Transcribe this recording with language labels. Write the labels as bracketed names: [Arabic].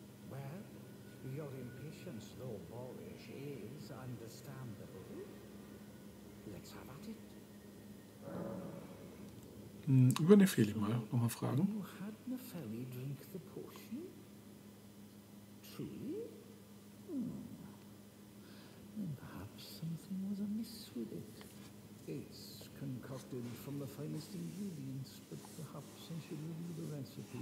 [English] Well, your impatience, though boorish, is understandable. Let's have at it. [German] Über Nefeli mal nochmal fragen. [English] You had Nefeli drink the potion? Truly? Then perhaps something was amiss with it. It's concocted from the finest ingredients, but perhaps I should review the recipe.